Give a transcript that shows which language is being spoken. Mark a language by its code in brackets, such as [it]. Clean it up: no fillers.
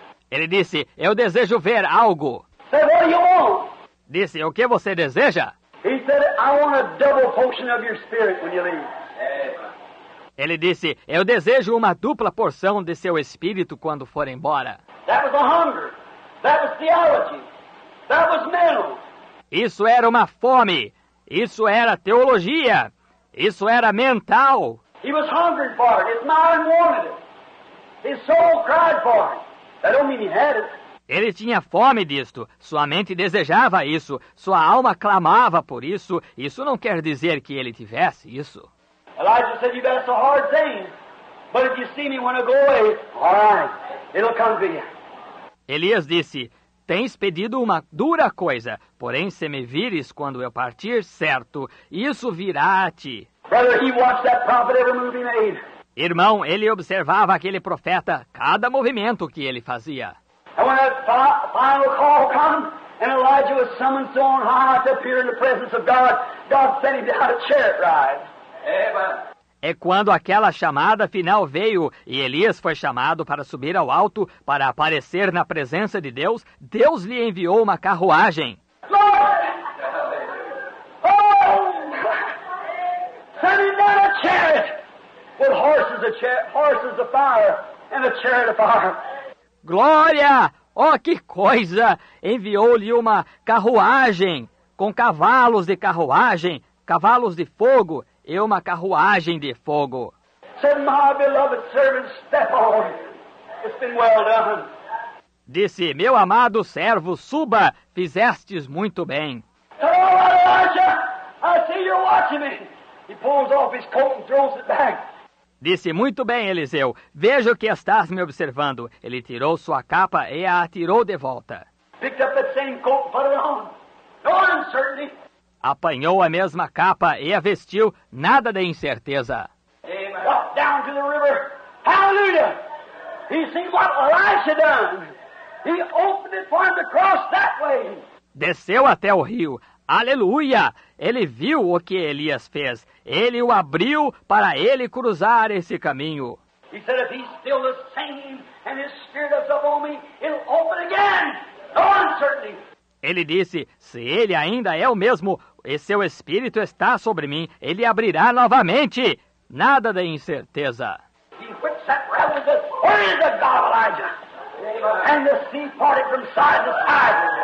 [pt] Ele disse, eu desejo ver algo. [en] Said, what do you want? [pt] Disse, o que você deseja? [en] He said, I want a double portion of your spirit when you leave. [pt] Ele disse, eu desejo dupla porção de seu espírito quando for embora. [en] That was a hunger. That was theology. That was mental. [pt] Isso era fome. Isso era teologia. Isso era mental. [en] He was hungry for it. His mind wanted it. His soul cried for it. That don't mean he had it. [pt] Ele tinha fome disto, sua mente desejava isso, sua alma clamava por isso. Isso não quer dizer que ele tivesse isso. [en] Elijah said, you've asked a hard thing, but if you see me when I go away, all right, it'll come to you. [pt] Elias disse, tens pedido dura coisa, porém se me vires quando eu partir, certo, isso virá a ti. [en] Brother, he watched that prophet every move he made. [pt] Irmão, ele observava aquele profeta, cada movimento que ele fazia. [en] And when that final call comes, and Elijah was summoned so on high to appear in the presence of God, God sent him down a chariot ride. Amen. [pt] E quando aquela chamada final veio, e Elias foi chamado para subir ao alto, para aparecer na presença de Deus, Deus lhe enviou uma carruagem. [en] Lord! Oh! Send him down a chariot! With horses of, horses of fire, and a chariot of fire. [pt] Glória! Oh, que coisa! Enviou-lhe uma carruagem com cavalos de carruagem, cavalos de fogo e uma carruagem de fogo. [en] Said, my beloved servant, step on. It's been well done. [pt] Disse, meu amado servo, suba, fizestes muito bem. [en] Oh, Elijah, I see you're watching me. He pulls off his coat and throws it back. [pt] Disse, muito bem, Eliseu, vejo que estás me observando. Ele tirou sua capa e a atirou de volta. [en] Picked up that same coat, put it on. No uncertainty. [pt] Apanhou a mesma capa e a vestiu, nada de incerteza. [en] Walked down to the river. Hallelujah! He seen what Elisha done. He opened it for him to cross that way. [pt] Desceu até o rio. Aleluia! Ele viu o que Elias fez. Ele o abriu para ele cruzar esse caminho. [en] He said, if he's still the same and his spirit is upon me, it'll open again. No uncertainty. [pt] Ele disse, se ele ainda é o mesmo e seu espírito está sobre mim, ele abrirá novamente. Nada de incerteza. [en] He whips that rebel and says, where is the God of Elijah? And the sea parted from side to side.